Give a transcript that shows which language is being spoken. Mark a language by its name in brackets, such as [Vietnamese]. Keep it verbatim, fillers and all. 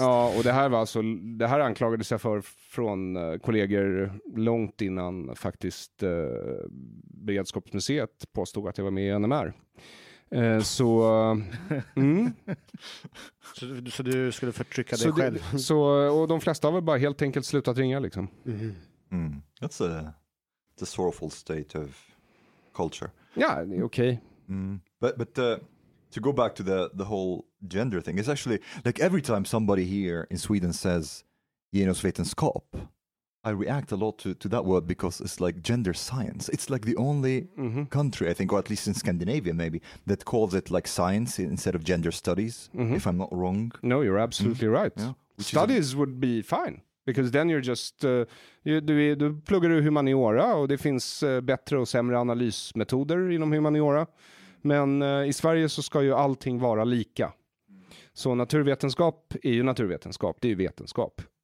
[Swedish] Ja, och det här var alltså, det här anklagades jag för från kollegor långt innan faktiskt eh, Beredskapsmuseet påstod att jag var med i N M R. Eh, så, mm. så, så du skulle förtrycka dig så själv? Det, så, och de flesta har väl bara helt enkelt slutat ringa liksom. Mm. Mm. [English] That's a, it's a sorrowful state of culture. [Swedish] Ja, det är okej. Mm. [English] But but uh, to go back to the, the whole gender thing, it's actually like every time somebody here in Sweden says genusvetenskap, I react a lot to, to that word because it's like gender science. It's like the only mm-hmm. country, I think, or at least in Scandinavia maybe, that calls it like science instead of gender studies, mm-hmm. if I'm not wrong. No, you're absolutely mm-hmm. right. Yeah. Studies isn't... would be fine. Because then you're just, [Swedish] uh, you, du, du pluggar du humaniora och det finns uh, bättre och sämre analysmetoder inom humaniora. Men uh, i Sverige så ska ju allting vara lika. Så naturvetenskap är ju naturvetenskap, det är ju vetenskap.